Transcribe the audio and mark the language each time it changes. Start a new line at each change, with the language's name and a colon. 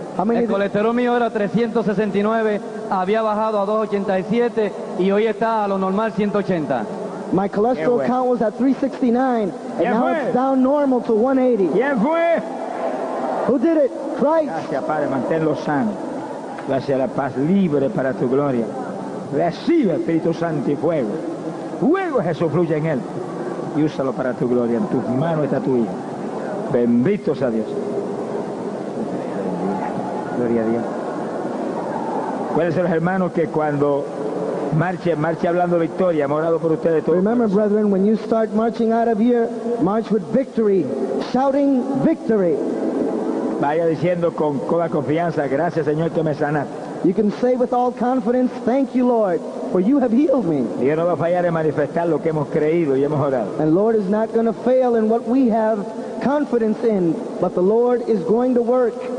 Spanish: El colesterol mío era 369, había bajado a 287 y hoy está a lo normal 180.
English: My cholesterol count was at 369 and now it's down normal to 180.
Spanish: ¿Quién fue?
English: Who did it? Christ.
Spanish: Gracias, Padre, manténlo sano. Gracias a la paz libre para tu gloria. Recibe Espíritu Santo y fuego. Fuego Jesús fluye en él. Y úsalo para tu gloria. En tus manos está tuya. Bendito sea Dios. Gloria a Dios. ¿Cuáles son los hermanos que cuando marche, marche hablando victoria, hemos orado por ustedes todos?
English: Remember, brethren, when you start marching out of here, march with victory, shouting victory.
Spanish: Vaya diciendo con toda confianza, gracias Señor que me sanaste.
English: You can say with all confidence, thank you Lord, for you have healed me.
Spanish: Dios no va a fallar en manifestar lo que hemos creído y hemos orado.
English: And Lord is not going to fail in what we have confidence in, but the Lord is going to work.